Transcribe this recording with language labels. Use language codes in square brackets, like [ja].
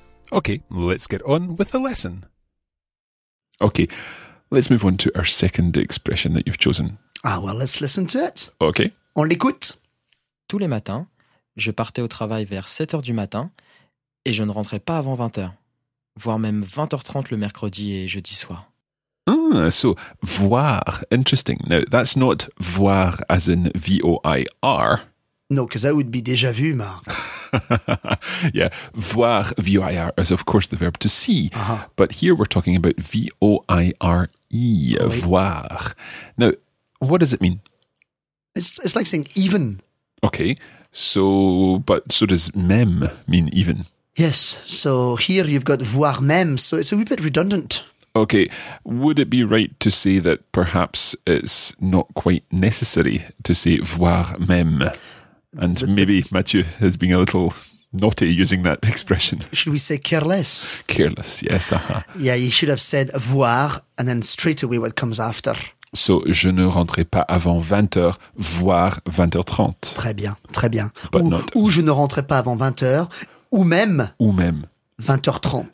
[en] Okay, let's get on with the lesson. Okay, let's move on to our second expression that you've chosen. Ah, well, let's listen to it. Okay. [fr] On l'écoute. Tous les matins, je partais au travail vers 7h du matin et je ne rentrais pas avant 20h, voire même 20h30 le mercredi et jeudi soir. [en] So, voir, interesting. Now, that's not voir as in V-O-I-R. No, because that would be déjà vu, Marc. Yeah, voir, V-O-I-R, is of course the verb to see. Uh-huh. But here we're talking about V-O-I-R-E, voir. Now, what does it mean? It's like saying even. Okay, so does même mean even? Yes, so here you've got voir même, so it's a wee bit redundant. Okay, would it be right to say that perhaps it's not quite necessary to say voir même? And maybe Mathieu has been a little naughty using that expression. Should we say careless? Careless, yes. Uh-huh. Yeah, you should have said voir and then straight away what comes after. [fr] So, je ne rentrerai pas avant 20h, voire 20h30. Très bien, très bien. [en] But [fr] ou je ne rentrerai pas avant 20h, ou même 20h30.